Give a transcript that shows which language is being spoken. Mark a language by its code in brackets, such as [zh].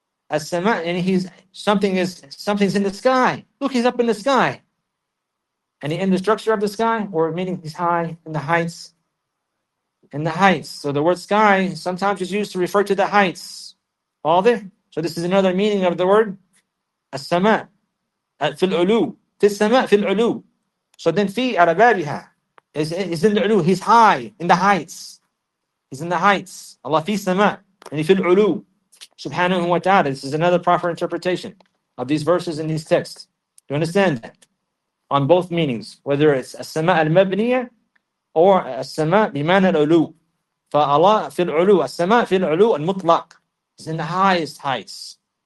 [en] As-sama, and something's in the sky. Look, he's up in the sky. And in the structure of the sky, or meaning he's high in the heights. In the heights. So the word sky sometimes is used to refer to the heights. All there? So this is another meaning of the word [ar] السماء في العلو في السماء في العلو. [en] So then [ar] في على بابها [en] is in the علو. He's high in the heights. He's in the heights. [ar] Allah في السماء يعني في العلو. سبحانه وتعالى. [en] This is another proper interpretation of these verses in these texts. Do you understand that? On both meanings, whether it's [ar] السماء المبنية [en] or [ar] السماء بمعنى العلو. فالله في العلو. السماء في العلو المطلق. [en] He's in the highest heights.